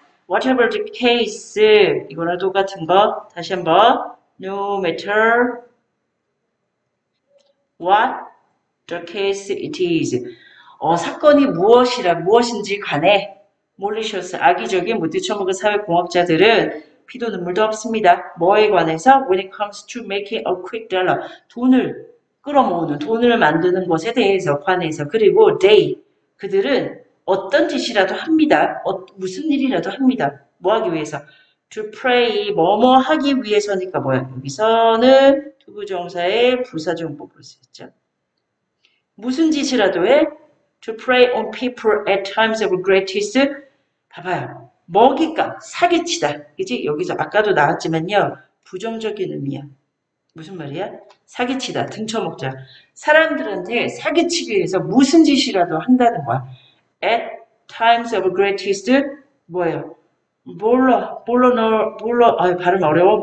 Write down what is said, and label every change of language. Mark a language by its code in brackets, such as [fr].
[en] Whatever the case, [ko] 이거나 똑같은 거, 다시 한번. [en] No matter what the case it is. [ko] 사건이 무엇이라, 무엇인지 간에, malicious, 악의적인 못 뒤쳐먹은 사회 공학자들은 피도 눈물도 없습니다. 뭐에 관해서? [en] When it comes to making a quick dollar. [ko] 돈을 끌어모으는, 돈을 만드는 것에 대해서, 관해서. 그리고 they, 그들은 어떤 짓이라도 합니다. 무슨 일이라도 합니다. 뭐 하기 위해서? [en] To pray, [ko] 뭐뭐 하기 위해서니까 뭐야? 여기서는 투부정사의 부사적 부분을 쓰죠. 무슨 짓이라도 해? [en] To prey on people at times of greatest. [ko] 봐봐요. 먹잇감, 사기치다. 그지? 여기서 아까도 나왔지만요. 부정적인 의미야. 무슨 말이야? 사기치다. 등쳐먹자. 사람들한테 사기치기 위해서 무슨 짓이라도 한다는 거야. [en] At times of greatest. [ko] 뭐예요? 발음 어려워.